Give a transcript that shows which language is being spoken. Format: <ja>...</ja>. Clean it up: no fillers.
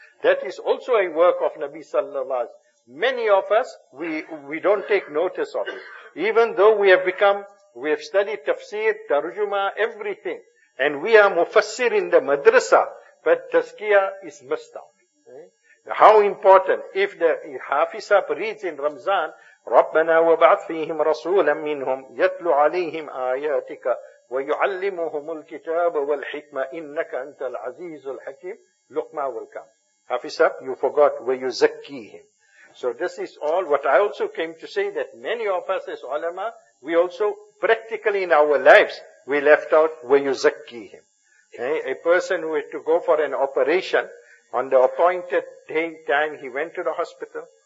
<en>That is also a work of Nabi sallallahu alayhi wa sallam. Many of us, we don't take notice of it. Even though we have studied tafsir, tarjuma, everything. And we are mufassir in the madrasa. But tazkiyah is missed out. How important. If the hafizah reads in Ramzan,</en> <ar>رَبَّنَا وَبَعْثْ فِيهِمْ رَسُولًا مِّنْهُمْ يَتْلُ عَلَيْهِمْ آيَاتِكَ وَيُعَلِّمُهُمُ الْكِتَابَ وَالْحِكْمَةِ إِنَّكَ أَنْتَ الْعَزِيزُ الْحَكِيمُ لُقْمَا وَالْكَامِ.</ar> <en>Hafizah, you forgot, وَيُزَكِّيهِمْ. So this is all what I also came to say, that many of us as ulama, we also practically in our lives, we left out وَيُزَكِّيهِمْ. A person who had to go for an operation, on the appointed day time he went to the hospital.</en>